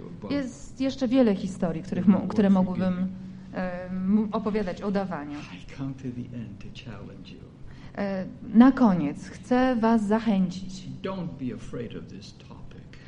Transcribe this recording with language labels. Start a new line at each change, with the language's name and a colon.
Polish: Jest jeszcze wiele historii, które mogłabym opowiadać o dawaniu.
English: I come to the end to challenge you.
Polish: Na koniec chcę was zachęcić.
English: Don't be afraid of this topic.